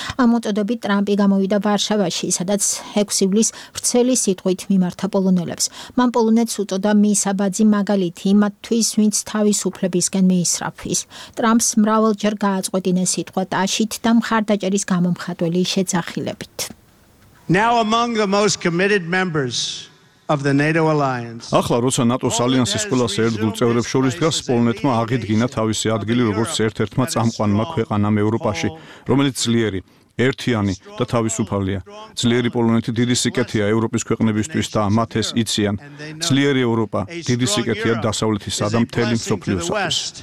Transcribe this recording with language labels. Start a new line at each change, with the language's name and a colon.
Georgian: ამ მოწოდებით ტრამპი გამოვიდა ვარშავაში, სადაც 6 ივლისს ვრცელი სიტყვით მიმართა პოლონელებს. მან პოლონეთს უწოდა მისაბაძი მაგალითი იმათთვის, ვინც თავისუფლებისკენ მიისწრაფვის. ტრამპს მრავალჯერ გააწყვეტინეს სიტყვა ტაშით და მხარდაჭერის გამომხატველი შეძახი.
English: Now among the most committed members of the NATO alliance.
Georgian: ახლა როცა ნატოს ალიანსის ყველა საერთგულ წევრებს შორის დგას, პოლონეთმა აღიდგინა თავისი ადგილი როგორც ერთ-ერთმა წამყვანმა ქვეყანამ ევროპაში, რომელიც ძლიერი, ერთიანი და თავისუფალია. ძლიერი პოლონეთი დიდი სიკეთეა ევროპის ქვეყნებისთვის და მათ ეს იციან. ძლიერი ევროპა დიდი სიკეთეა დასავლეთისა და მთელი მსოფლიოსთვის.